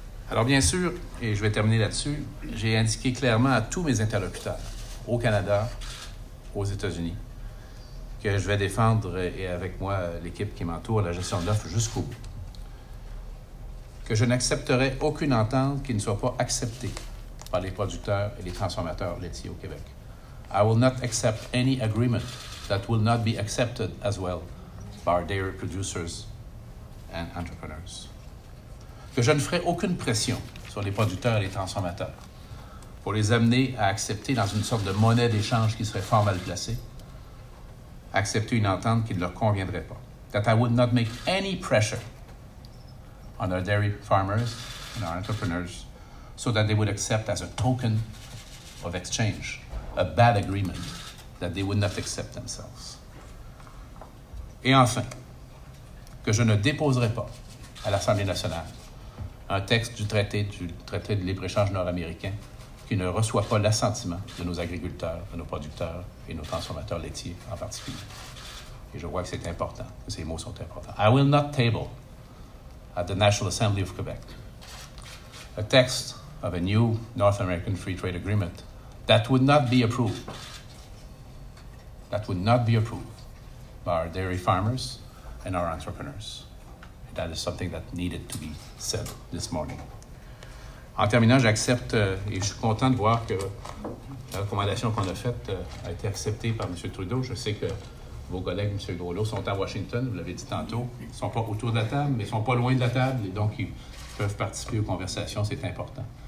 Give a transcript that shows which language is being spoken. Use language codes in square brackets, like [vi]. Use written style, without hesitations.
[fr] Alors bien sûr, et je vais terminer là-dessus, j'ai indiqué clairement à tous mes interlocuteurs, au Canada, aux États-Unis, que je vais défendre, et avec moi l'équipe qui m'entoure, la gestion de l'offre jusqu'au bout. Que je n'accepterai aucune entente qui ne soit pas acceptée par les producteurs et les transformateurs laitiers au Québec. [en] I will not accept any agreement that will not be accepted as well by dairy producers and entrepreneurs. [fr] Que je ne ferai aucune pression sur les producteurs et les transformateurs pour les amener à accepter dans une sorte de monnaie d'échange qui serait fort mal placée, accepter une entente qui ne leur conviendrait pas. [en] That I would not make any pressure on our dairy farmers and our entrepreneurs so that they would accept as a token of exchange, a bad agreement that they would not accept themselves. [fr] Et enfin, que je ne déposerai pas à l'Assemblée nationale un texte du traité de libre-échange nord-américain qui ne reçoit pas l'assentiment de nos agriculteurs, de nos producteurs et nos transformateurs laitiers en particulier. Et je crois que c'est important, que ces mots sont importants. [en] I will not table at the National Assembly of Quebec a text of a new North American Free Trade Agreement that would not be approved. That would not be approved by our dairy farmers and our entrepreneurs. And that is something that needed to be said this morning. [fr] En terminant, j'accepte et je suis content de voir que la recommandation qu'on a faite a été acceptée par M. Trudeau. Je sais que vos collègues, M. Grosleau, sont à Washington, vous l'avez dit tantôt. Ils ne sont pas autour de la table, mais ils ne sont pas loin de la table et donc ils peuvent participer aux conversations, c'est important.